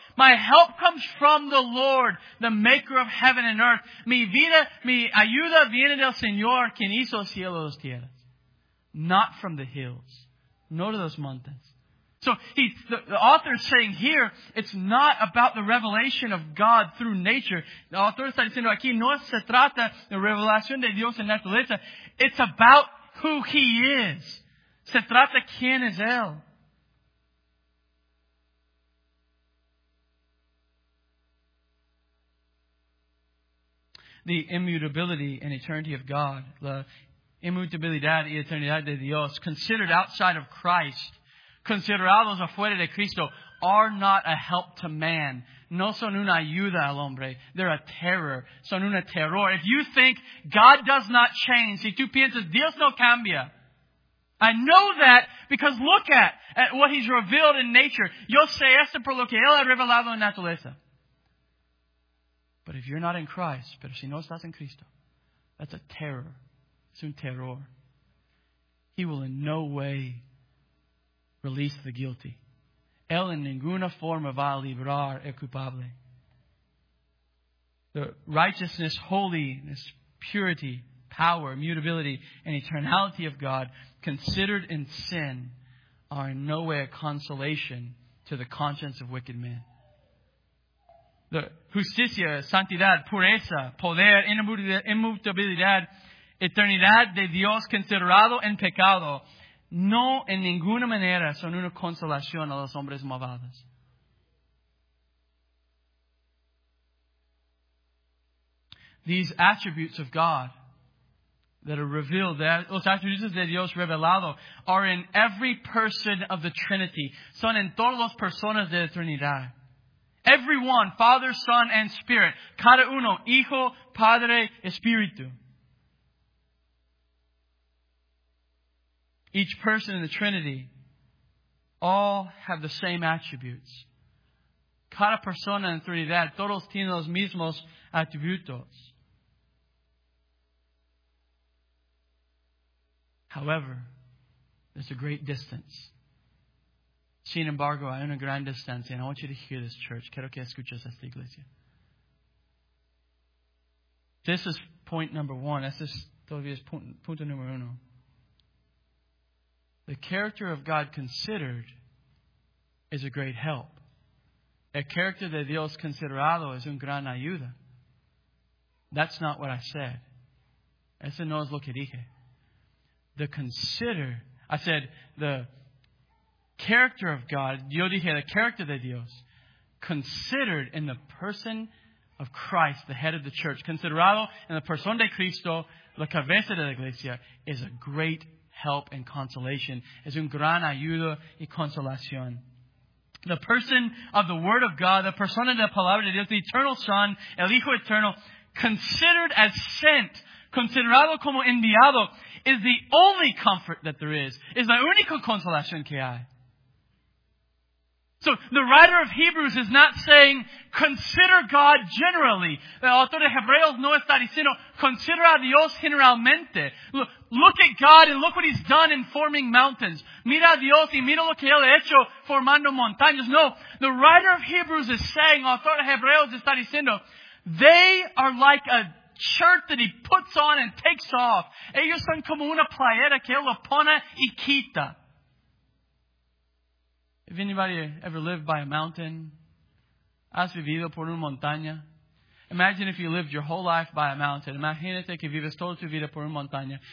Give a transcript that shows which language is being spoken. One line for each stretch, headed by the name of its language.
English: My help comes from the Lord, the maker of heaven and earth.
Spanish: Mi vida, mi ayuda viene del Señor, quien hizo cielos y tierras.
English: Not from the hills.
Spanish: No de los montes.
English: So the author is saying here, it's not about the revelation of God through nature. The author
Spanish: está diciendo aquí, no se trata de revelación de Dios en naturaleza.
English: It's about who He is.
Spanish: Se trata quién es Él.
English: The immutability and eternity of God,
Spanish: la inmutabilidad y eternidad de Dios,
English: considered outside of Christ,
Spanish: considerados afuera de Cristo,
English: are not a help to man.
Spanish: No son una ayuda al hombre.
English: They're a terror.
Spanish: Son una terror.
English: If you think God does not change,
Spanish: si tú piensas, Dios no cambia.
English: I know that because look at what He's revealed in nature.
Spanish: Yo sé esto por lo que Él ha revelado en naturaleza.
English: But if you're not in Christ,
Spanish: pero si no estás en Cristo,
English: that's a terror.
Spanish: Es un terror.
English: He will in no way release the guilty.
Spanish: Él en ninguna forma va a librar el culpable.
English: The righteousness, holiness, purity, power, immutability, and eternality of God considered in sin are in no way a consolation to the conscience of wicked men.
Spanish: The justicia, santidad, pureza, poder, inmutabilidad, eternidad de Dios considerado en pecado, no en ninguna manera son una consolación a los hombres malvados.
English: These attributes of God that are revealed,
Spanish: los attributos de Dios revelado,
English: are in every person of the Trinity.
Spanish: Son en todas las personas de la Trinidad.
English: Everyone, Father, Son, and Spirit.
Spanish: Cada uno, Hijo, Padre, Espíritu.
English: Each person in the Trinity, all have the same attributes.
Spanish: Cada persona en la Trinidad, todos tienen los mismos atributos.
English: However, there's a great distance.
Spanish: Sin embargo, hay una gran distancia.
English: And I want you to hear this, church.
Spanish: Quiero que escuches esta iglesia.
English: This is point number one.
Spanish: Este es todavía punto número uno.
English: The character of God considered is a great help.
Spanish: El carácter de Dios considerado es un gran ayuda.
English: That's not what I said.
Spanish: Eso no es lo que dije.
English: The character of God,
Spanish: yo dije,
English: the character de Dios, considered in the person of Christ, the head of the church,
Spanish: considerado en la persona de Cristo, la cabeza de la iglesia,
English: is a great help and consolation.
Spanish: Es un gran ayuda y consolación.
English: The person of the Word of God,
Spanish: the persona de la palabra de Dios,
English: the eternal Son,
Spanish: el Hijo Eterno,
English: considered as sent,
Spanish: considerado como enviado,
English: is the only comfort that there is
Spanish: la única consolación que hay.
English: So the writer of Hebrews is not saying, consider God generally.
Spanish: El autor de Hebreos no está diciendo, considera a Dios generalmente.
English: Look at God and look what He's done in forming mountains.
Spanish: Mira a Dios y mira lo que Él ha hecho formando montañas.
English: No, the writer of Hebrews is saying,
Spanish: el autor de Hebreos está diciendo,
English: they are like a shirt that He puts on and takes off.
Spanish: Ellos son como una playera que Él lo pone y quita.
English: If anybody ever lived by a mountain,
Spanish: has vivido por una montaña.
English: Imagine if you lived your whole life by a mountain.
Spanish: Imagínate que vives toda tu vida por una montaña.